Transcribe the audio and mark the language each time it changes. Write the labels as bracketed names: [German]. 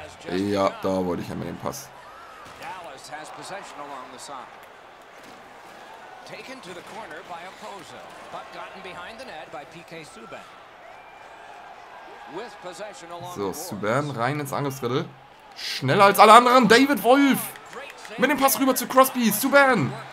[German] Ja, da wollte ich ja mit dem Pass. [English] Possession along the side. Taken to the corner by Opoza, but gotten behind the net by PK Subban. With possession along the board. [German] So, Subban rein ins Angriffsdrittel. Schneller als alle anderen, David Wolf! Mit dem Pass rüber zu Crosby, Subban!